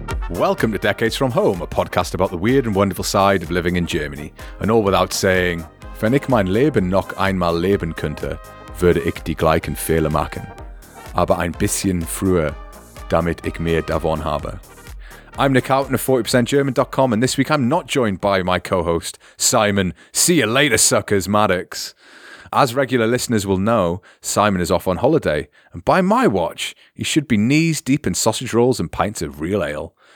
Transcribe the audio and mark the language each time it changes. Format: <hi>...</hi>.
<en>Welcome to Decades From Home, a podcast about the weird and wonderful side of living in Germany. And all without saying,</en> <de>Wenn ich mein Leben noch einmal leben könnte, würde ich die gleichen Fehler machen. Aber ein bisschen früher, damit ich mehr davon habe.</de> <en>I'm Nick Houghton of 40%German.com, and this week I'm not joined by my co-host, Simon. See you later, suckers, Maddox. As regular listeners will know, Simon is off on holiday, and by my watch, he should be knees deep in sausage rolls and pints of real ale.</en>